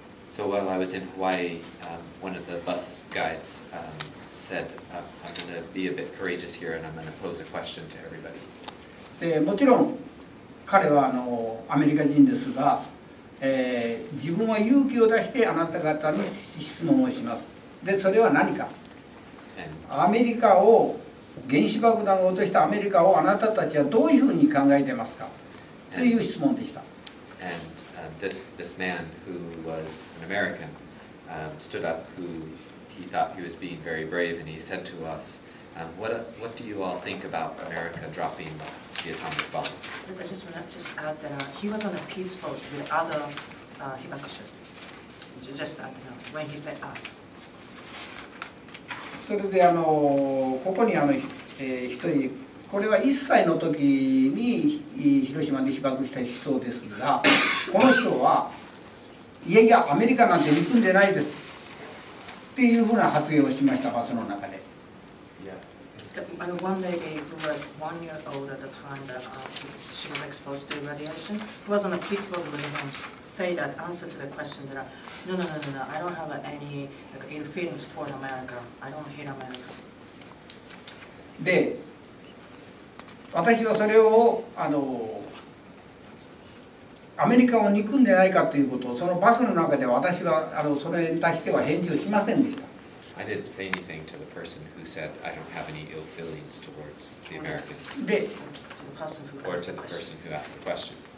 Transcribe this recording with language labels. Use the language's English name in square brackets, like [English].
[English] So while I was in Hawaii, one of the bus guides said, I'm going to be a bit courageous here and I'm going to pose a question to everybody. [Japanese] で、もちろん彼はアメリカ人ですが、自分は勇気を出してあなた方に質問をします。で、それは何か。アメリカを原子爆弾を落としたアメリカをあなたたちはどういうふうに考えてますかという質問でした。 [English] And this man who was an American stood up, who he thought he was being very brave, and he said to us, what do you all think about America dropping the atomic bomb? I just want to just add that he was on a peace boat with other Hibakushas. Just that, you know, when he said us. [Japanese] それで、あの、ここに、あの、一人、これは1歳の時に広島で被爆した人ですが、この人は、いやいや、アメリカなんて憎んでないです。っていうふうな発言をしました、バスの中で。 [English] Yeah. One lady who was 1 year old at the time that she was exposed to radiation, who was on a peace boat with him, say that answer to the question that, no, no, no, no, no, I don't have any ill feelings toward America. I don't hate America. [Japanese] で、私はそれを、あの、アメリカを憎んでないかということを、そのバスの中で私は、あの、それに対しては返事をしませんでした。 [English] I didn't say anything to the person who said I don't have any ill feelings towards the Americans. [Japanese] で、 [English] or to the person who asked the question.